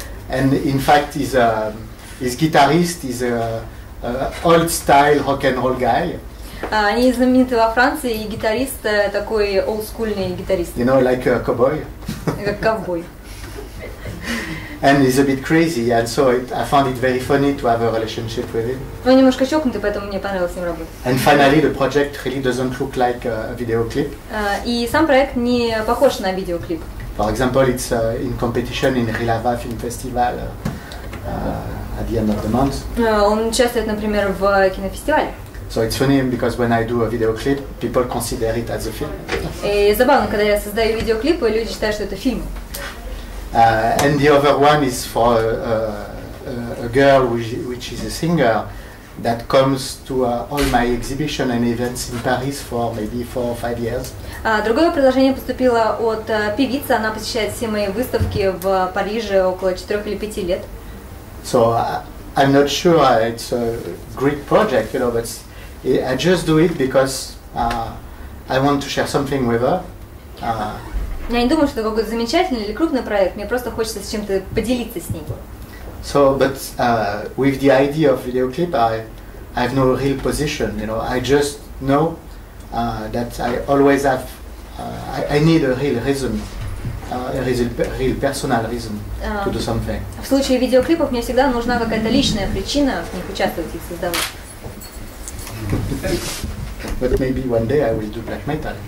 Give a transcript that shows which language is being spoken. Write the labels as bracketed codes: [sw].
[en] And in fact, his guitarist is an old style rock and roll guy. [ru] Они знамениты во Франции, и гитарист такой олдскульный гитарист. [en] You know, like a cowboy. [ru] Как ковбой. [en] And he's a bit crazy, and so I found it very funny to have a relationship with him. [ru] Он немножко чокнутый, поэтому мне понравилось с ним работать. [en] And finally, the project really doesn't look like a video clip. [ru] И сам проект не похож на видеоклип. [en] For example, it's in competition in Rilava Film Festival at the end of the month. [ru] Он участвует, например, в кинофестивале. [en] So it's funny because when I do a video clip, people consider it as a film. [ru] Забавно, когда я создаю видеоклип, люди считают, что это фильм. [en] And the other one is for a girl which is a singer that comes to all my exhibition and events in Paris for maybe 4 or 5 years. [ru] Другое предложение поступило от певицы. Она посещает все мои выставки в Париже около 4 или 5 лет. [en] So I'm not sure it's a great project, you know, but I just do it because I want to share something with her. [ru] Я не думаю, что это какой-то замечательный или крупный проект. Мне просто хочется с чем-то поделиться с ней. [en] So, but with the idea of video clip, I have no real position. You know, I just know that I always have. I need a real reason, a real personal reason to do something. [ru] В случае видеоклипов мне всегда нужна какая-то личная причина в них участвовать и создавать. [en] But maybe one day I will do black metal.